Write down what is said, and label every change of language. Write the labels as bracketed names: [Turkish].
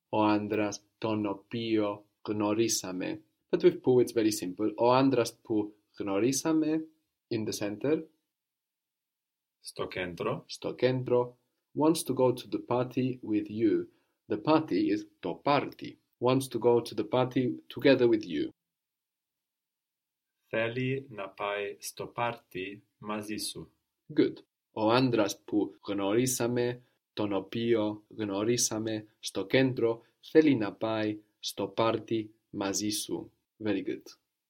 [Greek] Ο άντρας τον οποίο γνωρίσαμε. [English] But with που, it's very simple. [Greek] Ο άντρας που γνωρίσαμε, [English] in the center. [Greek] Στο κέντρο. Στο κέντρο. [English] Wants to go to the party with you. The party is το party. Wants to go to the party together with you. [Greek] Θέλει να πάει στο party μαζί σου. [English] Good. [Greek] Ο άντρας που γνωρίσαμε, τον οποίο γνωρίσαμε στο κέντρο, θέλει να πάει στο party μαζί σου. [English] Very good.